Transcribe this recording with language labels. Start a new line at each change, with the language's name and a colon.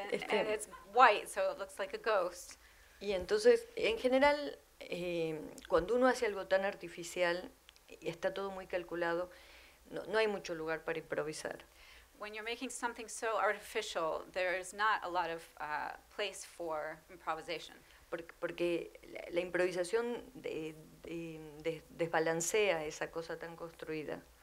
English: And it's white, so it looks like a ghost.
Spanish: Y entonces, en general, cuando uno hace algo tan artificial, y está todo muy calculado, no hay mucho lugar para improvisar.
English: When you're making something so artificial, there is not a lot of place for improvisation.
Spanish: Porque la improvisación desbalancea esa cosa tan construida.